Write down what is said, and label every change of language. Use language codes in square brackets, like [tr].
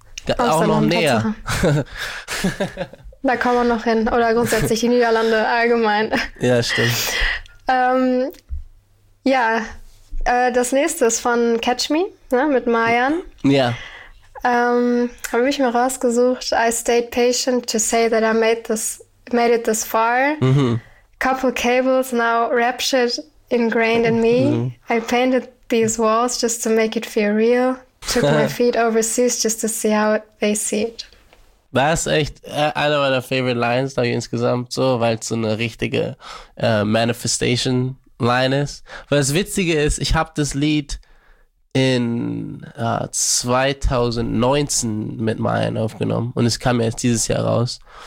[de] Amsterdam, auch noch näher. Da kommen wir noch hin. Oder grundsätzlich die Niederlande allgemein. Ja, stimmt. Das nächste ist von Catch Me, ne? Mit Mayan. Ja. Habe ich mir rausgesucht. [en] I stayed patient to say that I made it this far. Couple cables now raptured ingrained in me. I painted these walls just to make it feel real. Took my feet overseas just to see how they see it. [de] Das ist echt eine meiner favorite lines, glaube ich, insgesamt so, weil es so eine richtige Manifestation line ist. Weil das Witzige ist, ich habe das Lied in 2019 mit Mayan aufgenommen und es kam erst dieses Jahr raus.